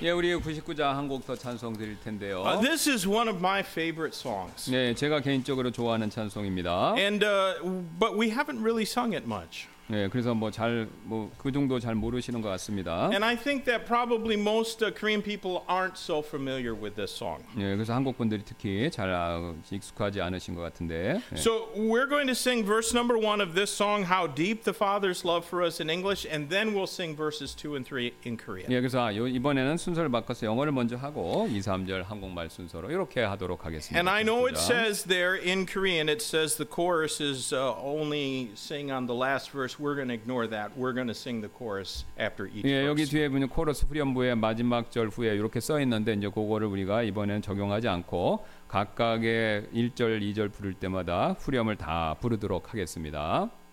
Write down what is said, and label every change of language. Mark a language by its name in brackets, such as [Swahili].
[Korean] 예, 우리 99장 한 곡 더 찬송 드릴 텐데요. [English] This is one of my favorite songs. [Korean] 네, 제가 개인적으로 좋아하는 찬송입니다. [English] And but we haven't really sung it much. [Korean] 네, 그래서 뭐 잘 뭐 그 정도 잘 모르시는 것 같습니다. [English] And I think that probably most Korean people aren't so familiar with this song. [Korean] 네, 그래서 한국 분들이 특히 잘 익숙하지 않으신 것 같은데. 네. [English] So we're going to sing verse number one of this song, "How Deep the Father's Love for Us" in English, and then we'll sing verses 2 and 3 in Korean. [Korean] 네, 그래서 이번에는 순서를 바꿔서 영어를 먼저 하고 2, 3절 한국말 순서로 이렇게 하도록 하겠습니다. [English] And I know it says there in Korean, it says the chorus is only sing on the last verse. We're going to ignore that. We're going to sing the chorus after each verse. [Korean] 예, 여기 뒤에 보면 코러스 후렴부의 마지막 절 후에 이렇게 써 있는데 이제 그거를 우리가 이번에는 적용하지 않고 각각의 1절, 2절 부를 때마다 후렴을 다 부르도록 하겠습니다.